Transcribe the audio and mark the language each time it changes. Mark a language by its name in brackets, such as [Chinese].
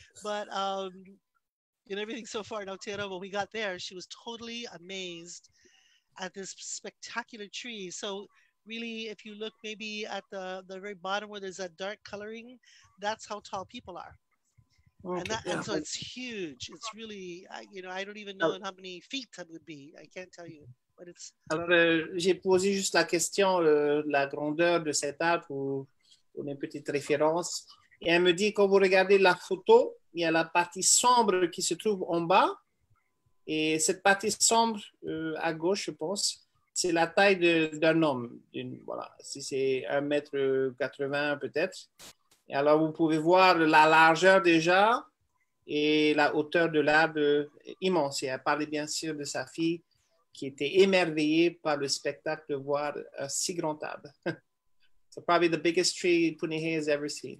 [English] But in everything so far in Aotearoa, when we got there, she was totally amazed at this spectacular tree. So really, if you look maybe at the very bottom where there's that dark coloring, that's how tall people are. Okay, and so it's huge. It's really, I don't even know how many feet that would be. I can't tell you, but it's... [French] Alors, j'ai posé juste la question, la grandeur de cet arbre, pour une petite référence. Et elle me dit, quand vous regardez la photo, il y a la partie sombre qui se trouve en bas. Et cette partie sombre, à gauche, je pense, c'est la taille d'un homme. Si c'est 1m80 peut-être. Et alors, vous pouvez voir la largeur déjà et la hauteur de l'arbre immense. Et elle parlait bien sûr de sa fille qui était émerveillée par le spectacle de voir un si grand arbre. C'est [English] probably the biggest tree Punihei has ever seen.